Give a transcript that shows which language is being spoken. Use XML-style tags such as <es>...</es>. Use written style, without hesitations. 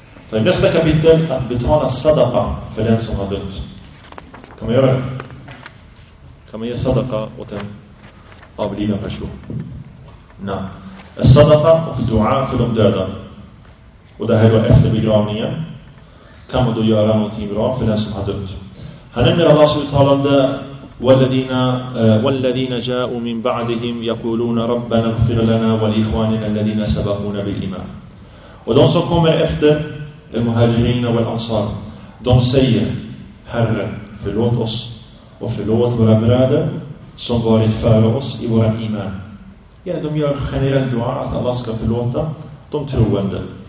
<sv>Så i nästa kapitel, att betala sadaqa för den som har dött. Kan man göra det? Kan man ge sadaqa åt en avliden person? Nej. Sadaqa och dua för de döda. Och det här då efter begravningen. Kan man då göra någonting bra för den som har dött? Han nämner Allahs uttalande:</sv> <ar>وَالَّذِينَ جَاءُوا مِنْ بَعْدِهِمْ يَقُولُونَ رَبَّنَا اغْفِرْ لَنَا وَلِإِخْوَانِنَا الَّذِينَ سَبَقُونَا بِالْإِيمَانِ.</ar> <sv>Och de som kommer efter, al-muhajirina och al-ansar, de säger: Herre, förlåt oss och förlåt våra bröder som varit före oss i våran iman. Ja, de gör generellt dua att Allah ska förlåta de troende.</sv>